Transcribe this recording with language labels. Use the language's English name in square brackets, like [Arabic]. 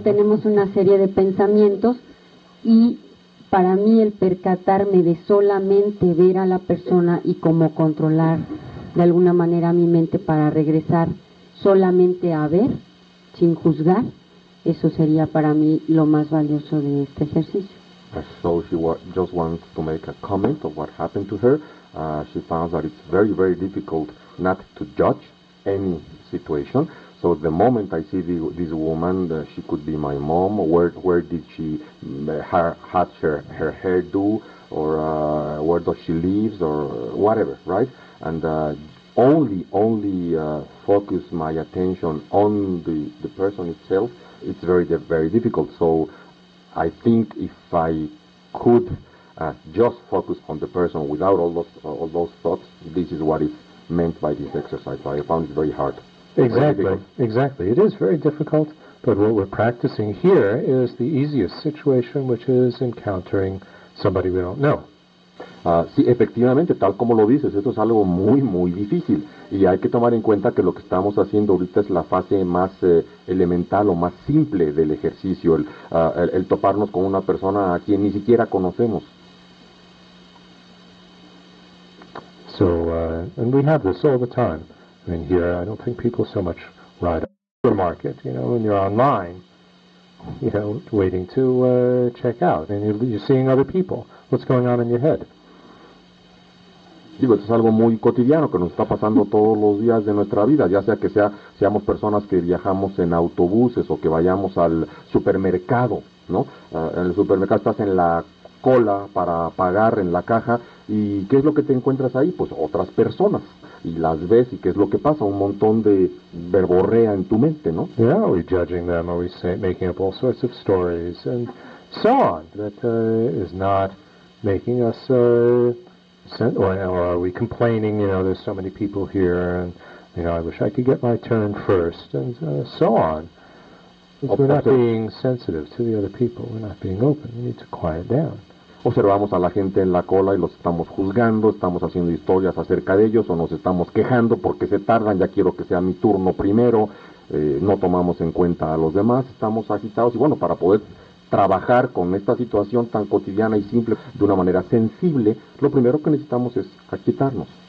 [Spanish] Tenemos una serie de pensamientos, y para mí el percatarme de solamente ver a la persona y cómo controlar de alguna manera mi mente para regresar solamente a ver, sin juzgar, eso sería para mí lo más valioso de este ejercicio. [English] So she just wants to make a comment of what happened to her. She found that it's very, very difficult not to judge any situation. So the moment I see this woman, she could be my mom. Where did she had her hairdo, or where does she live, or whatever, right? And only focus my attention on the person itself. It's very very difficult. So I think if I could just focus on the person without all those thoughts, this is what is meant by this exercise. I found it very hard. Exactly. It is very difficult, but what we're practicing here is the easiest situation, which is encountering somebody we don't know. [Spanish] Sí, efectivamente, tal como lo dices, esto es algo muy, muy difícil. Y hay que tomar en cuenta que lo que estamos haciendo ahorita es la fase más elemental o más simple del ejercicio, el toparnos con una persona a quien ni siquiera conocemos. [English] So, and we have this all the time. I mean, here, I don't think people so much ride a supermarket, you know, when you're online, you know, waiting to check out, and you're seeing other people. What's going on in your head? [Spanish] Digo, esto es algo muy cotidiano que nos está pasando todos los días de nuestra vida, ya sea que seamos personas que viajamos en autobuses o que vayamos al supermercado, ¿no? En el supermercado estás en la cola para pagar en la caja, ¿y qué es lo que te encuentras ahí? Pues otras personas, y las ves, y ¿qué es lo que pasa? Un montón de verborrea en tu mente, ¿no? [English] Yeah, are we judging them? Are we making up all sorts of stories? And so on. That is not making us... Or are we complaining, you know, there's so many people here, and, you know, I wish I could get my turn first, and so on. Because we're not being sensitive to the other people, we're not being open, we need to quiet down. [Spanish] Observamos a la gente en la cola y los estamos juzgando, estamos haciendo historias acerca de ellos, o nos estamos quejando porque se tardan, ya quiero que sea mi turno primero, no tomamos en cuenta a los demás, estamos agitados, y bueno, para poder... trabajar con esta situación tan cotidiana y simple de una manera sensible, lo primero que necesitamos es aquietarnos.